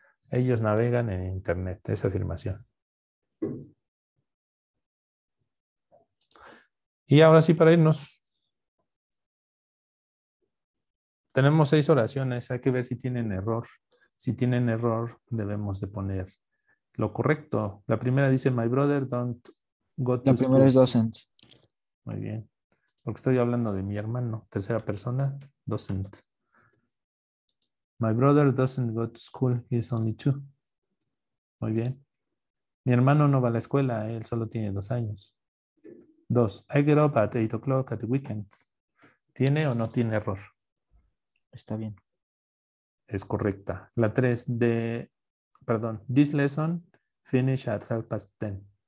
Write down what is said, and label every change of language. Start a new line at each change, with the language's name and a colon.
Spanish: Ellos navegan en internet. Es afirmación. Y ahora sí, para irnos. Tenemos 6 oraciones, hay que ver si tienen error. Si tienen error, debemos de poner lo correcto. La primera dice,
English: my brother don't go to
Spanish: school. La primera es doesn't. Muy bien. Porque estoy hablando de mi hermano. Tercera persona, doesn't.
English: My brother doesn't go to school, he's only 2.
Spanish: Muy bien. Mi hermano no va a la escuela, él solo tiene 2 años.
English: 2, I get up at 8 o'clock at the weekends.
Spanish: ¿Tiene o no tiene error? Está bien. Es correcta. La 3 de, perdón,
English: this lesson finish at 10:30.